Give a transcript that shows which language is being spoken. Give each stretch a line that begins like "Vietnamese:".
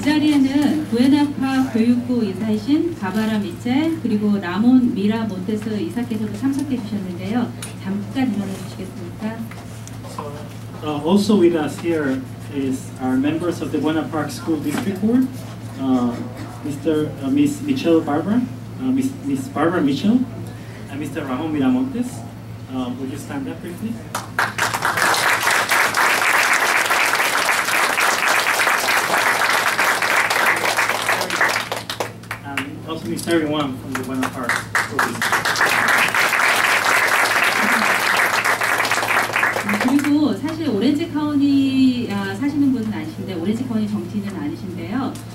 Korean: 자리에는 구에나파 교육부 이사이신 가바라 미체 그리고 라몬 미라 몬테스 이사께서도 참석해 주셨는데요. 잠깐 인사해 주시겠습니까?
English: So, also with us here is our members of the Buena Park School District Board, Miss Michelle Barbara, Miss Barbara Mitchell, and Mr. Ramon Miramontes. Would you stand up, please? And also Miss Terry Wang from the Buena Park School District.
Korean: 사실 오렌지 카운티 사시는 분은 아니신데 오렌지 카운티 정치인은 아니신데요.